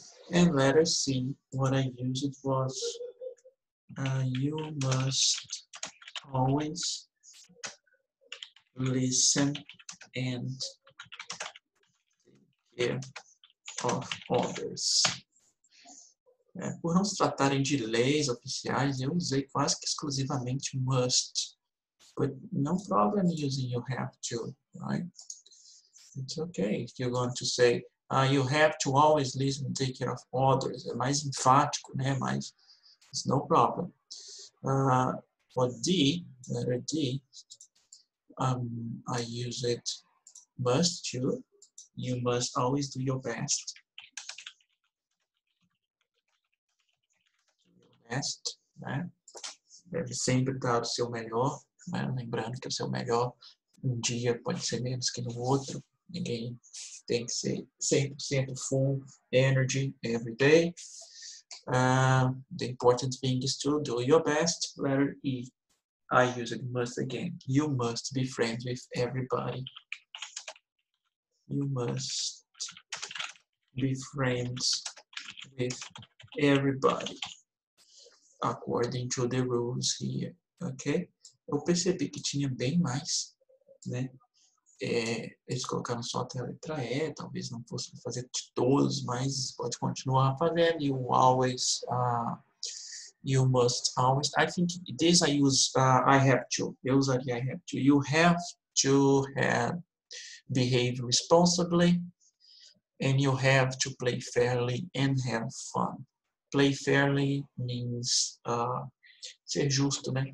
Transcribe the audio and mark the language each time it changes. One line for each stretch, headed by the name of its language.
English: And letter C, what I used was you must always listen and take care of others.
Portuguese: Por não se tratarem de leis oficiais, eu usei quase que exclusivamente must.
English: But no problem using you have to, right? It's okay if you're going to say you have to always listen and take care of others.
Portuguese: É mais enfático, né? Mas
English: it's no problem. For D, letter D, I use it must to. You must always do your best. Your best,
Portuguese: né? Deve sempre dar o seu melhor. Né? Lembrando que o seu melhor um dia pode ser menos que no outro. Ninguém tem que ser 100%
English: full energy every day. The important thing is to do your best. Letter E. I use it must again. You must be friends with everybody. You must be friends with everybody. According to the rules here. Ok?
Portuguese: Eu percebi que tinha bem mais, né? Eles colocaram só até a letra E, talvez não fosse fazer de todos, mas pode continuar fazendo.
English: You always, you must always. I think this I use, I have to.
Portuguese: Eu usaria
English: I have to. You have to have behave responsibly and you have to play fairly and have fun. Play fairly
Portuguese: means ser justo, né?